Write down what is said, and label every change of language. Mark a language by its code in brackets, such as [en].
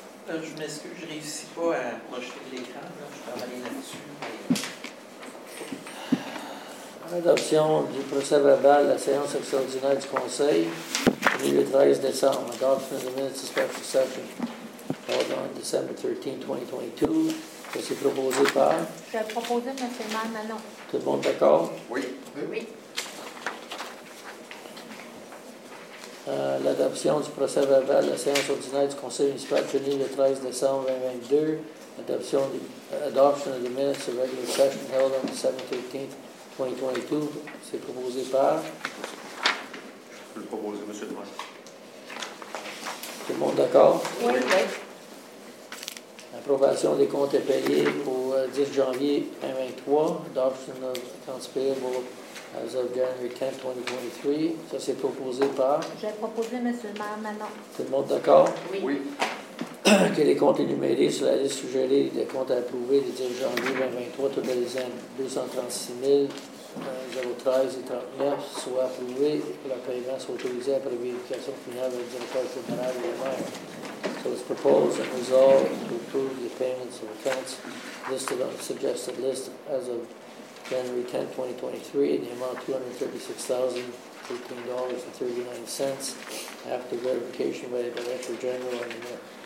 [fr] Je m'excuse, je ne réussis pas à projeter l'écran. Là. Je travaille là-dessus. Adoption du procès verbal de la séance extraordinaire du Conseil, le 13 décembre. [en] Adoption of the minutes of special session, held on December 13, 2022. [fr] C'est proposé par? Je vais proposer M. Manon. Tout le monde d'accord? Oui. Oui. L'adoption du procès verbal de la séance ordinaire du Conseil municipal tenue le 13 décembre 2022. [en] Adoption of the minutes of regular session held on December 13, 2022. [fr] C'est proposé par. Je peux le proposer, M. Demain. Tout le monde d'accord? Oui, oui. Approbation des comptes à payer pour 10 janvier 2023. [en] Adoption of accounts payable. As of January 10, 2023, [fr] ça c'est proposé par. J'ai proposé M. le maire Manon. Tout le monde d'accord? Oui. Que les comptes énumérés sur la liste suggérée des comptes approuvés le 10 janvier 2023, totalisant 236 013 et 39 soient approuvés pour la paiement soit autorisée après vérification finale avec le directeur général et le maire. [en] So it's proposed and resolved to approve the payments of accounts listed on the suggested list as of January 10, 2023, the amount of $236,013.39 after verification by the Director General and the Mayor.